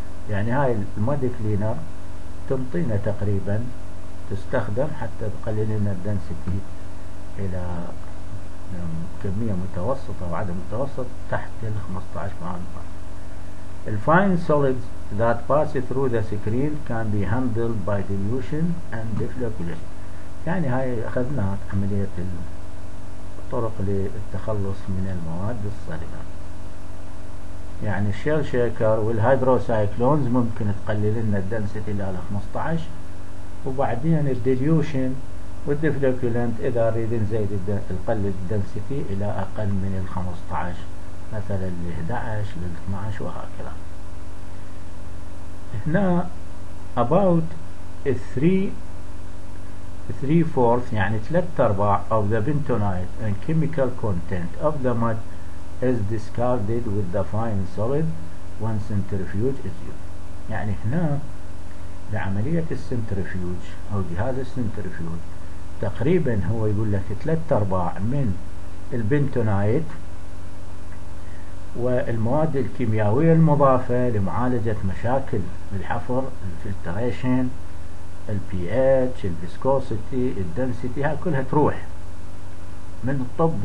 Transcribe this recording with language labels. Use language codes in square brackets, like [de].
[ar] يعني هاي المود كلينر تمطينا تقريبا تستخدم حتى تقلل لنا الدنسيتي الى كمية متوسطة وعدم متوسط تحت ال 15 pound mass. [en] The fine solids that pass through the screen can be handled by dilution and deflocculation. [ar] يعني هاي اخذناها عملية الطرق للتخلص من المواد الصلبة، يعني الشيل شيكر والهيدروسايكلونز ممكن تقلل لنا الدنسيتي الى 15، وبعدين الديليوشن والديفلوكولنت اذا نريد نزيد نقلل الدنسيتي الى اقل من 15 مثلا ل 11 ل 12 وهكذا. هنا [en] about 3/4 [ar] يعني [en] 3/4 of the bentonite and chemical content of the mud is discarded with the fine solid when centrifuge is used. [ar] يعني هنا لعملية السنترفيوج أو جهاز السنترفيوج تقريبا هو يقول لك 3/4 من البنتونايت والمواد الكيميائية المضافة لمعالجة مشاكل الحفر، الفلتريشن، البي اتش، الفيسكوسيتي، الدنسيتي، هاي كلها تروح من الطب.